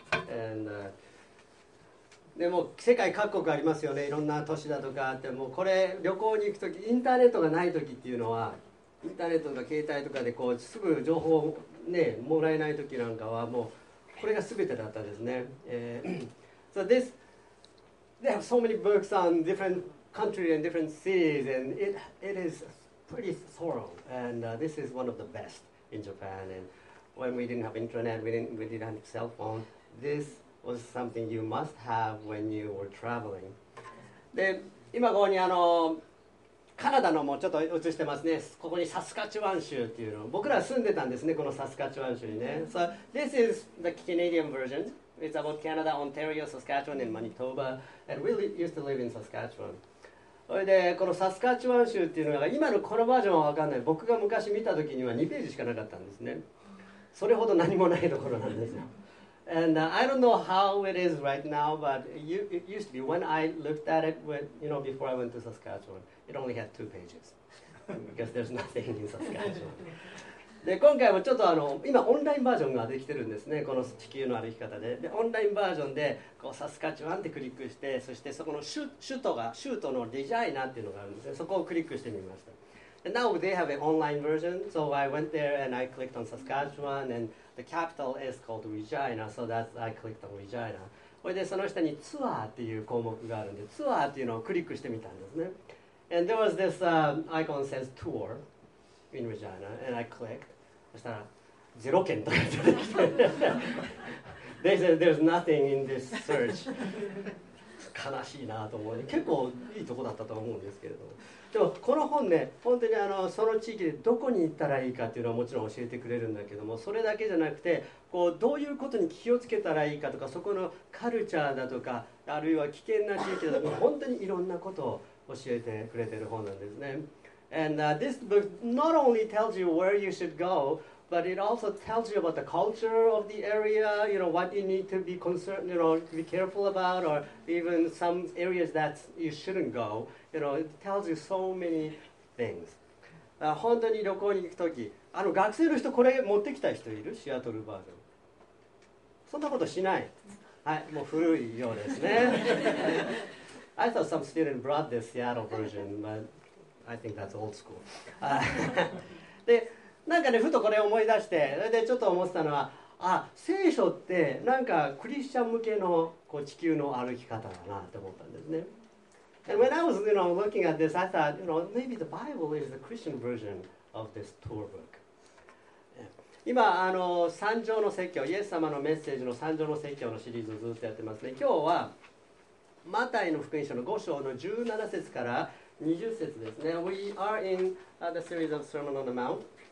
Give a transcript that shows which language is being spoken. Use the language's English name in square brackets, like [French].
[Japanese] And, でも世界各国ありますよね、いろんな都市だとかあって、もうこれ旅行に行くとき、インターネットがないときっていうのは、インターネットとか携帯とかでこうすぐ情報を、ね、もらえないときなんかは、もうこれが全てだったですね。 [English] So this, they have so many books on different countries and different cities, and it is pretty thorough. And this is one of the best in Japan. And when we didn't have internet, we didn't have cell phone, this was something you must have when you were traveling. [Japanese] で、今ここにカナダのもちょっと映してますね。ここにサスカチュワン州っていうの。僕ら住んでたんですね、このサスカチュワン州にね。 [English] So this is the Canadian version. It's about Canada, Ontario, Saskatchewan, and Manitoba. And we used to live in Saskatchewan. [Japanese] それでこのサスカチュワン州っていうのが今のこのバージョンは分かんない。僕が昔見た時には2ページしかなかったんですね。それほど何もないところなんですよ。 [English] And、I don't know how it is right now, but it used to be when I looked at it, when, you know, before I went to Saskatchewan, it only had 2 pages. Because there's nothing in Saskatchewan. [Japanese] で今回もちょっと今オンラインバージョンができてるんですね、この地球の歩き方で。でオンラインバージョンでこうサスカチュアンってクリックして、そしてそこの 首都のデザイナーっていうのがあるんですね、そこをクリックしてみました。 [English] And now they have an online version, so I went there and I clicked on Saskatchewan, and the capital is called Regina, so that's I clicked on Regina. [Japanese] それでその下にツアーっていう項目があるんで、ツアーっていうのをクリックしてみたんですね。 [English] And there was this icon says tourin Regina, and I clicked. [Japanese] そしたら、ゼロ件とか出てきて。 [English] They said, there's nothing in this search. [Japanese] 悲しいなと思う。結構いいとこだったと思うんですけれども。でも、この本ね、本当にその地域でどこに行ったらいいかっていうのはもちろん教えてくれるんだけども、それだけじゃなくて、こうどういうことに気をつけたらいいかとか、そこのカルチャーだとか、あるいは危険な地域だとか、本当にいろんなことを教えてくれてる本なんですね。 [English] And this book not only tells you where you should go, but it also tells you about the culture of the area, you know, what you need to be concerned, you know, to be careful about, or even some areas that you shouldn't go. You know, it tells you so many things. [Japanese] 本当に旅行に行くとき、学生の人これ持ってきた人いる？シアトルバージョン。そんなことしない。はい、もう古いようですね。 [English] I thought some student brought the Seattle version, but... I think that's old school. [Japanese] で、なんかね、ふとこれを思い出して、でちょっと思ってたのは、あ、聖書ってなんかクリスチャン向けのこう地球の歩き方だなって思ったんですね。 [English] And when I was, you know, looking at this, I thought, you know, maybe the Bible is the Christian version of this tour book. [Japanese] 今三条の説教、イエス様のメッセージの三条の説教のシリーズをずっとやってますね。今日はマタイの福音書の5章の17節から20節ですね。 [English] We are in the series of Sermon on the Mount.